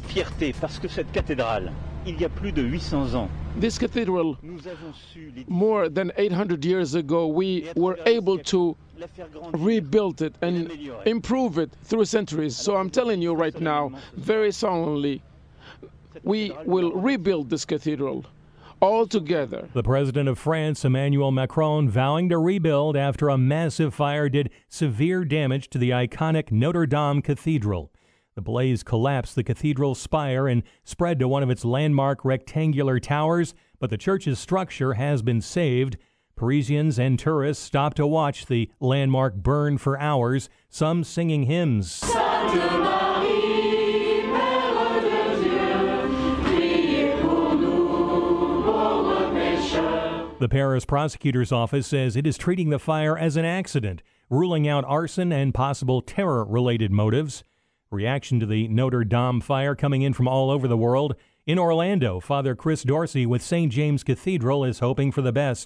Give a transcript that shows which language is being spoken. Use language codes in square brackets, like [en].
[fr] Fierté, parce que cette cathédrale, il y a plus de 800 ans. [en] This cathedral, more than 800 years ago, we were able to rebuild it and improve it through centuries. So I'm telling you right now, very solemnly, we will rebuild this cathedral all together. The President of France, Emmanuel Macron, vowing to rebuild after a massive fire did severe damage to the iconic Notre Dame Cathedral. The blaze collapsed the cathedral's spire and spread to one of its landmark rectangular towers, but the church's structure has been saved. Parisians and tourists stopped to watch the landmark burn for hours, some singing hymns. [fr] Sainte Marie, Mère de Dieu, priez pour nous, pauvres pécheurs. [en] The Paris prosecutor's office says it is treating the fire as an accident, ruling out arson and possible terror-related motives. Reaction to the Notre Dame fire coming in from all over the world. In Orlando, Father Chris Dorsey with St. James Cathedral is hoping for the best.